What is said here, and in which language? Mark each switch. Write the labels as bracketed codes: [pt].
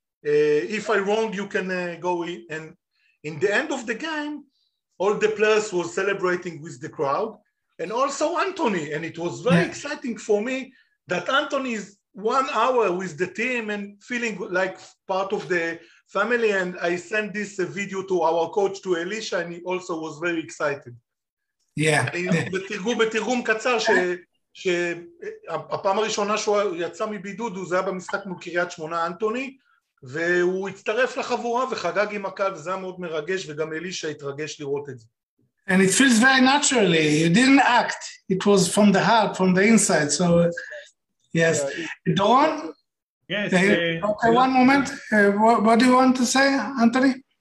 [en] If I'm wrong, you can go in. And in the end of the game, all the players were celebrating with the crowd, and also Anthony. And it was very exciting for me that Anthony is 1 hour with the team and feeling like part of the family. And I sent this video to our coach, to Elisha, and he also was very excited. Yeah. [he] בתרגום קצר, שהפעם הראשונה שהוא יצא מבידוד, זה היה במשחק מול קריית שמונה, אנטוני, והוא הצטרף לחבורה וחגג עם הקהל, וזה היה מאוד מרגש, וגם אלישה התרגש לראות את זה. [en] And it feels very naturally. You didn't act. It was from the heart, from the inside. So, yes. Doron? Yes. Okay, one moment. What do you want to say, Anthony?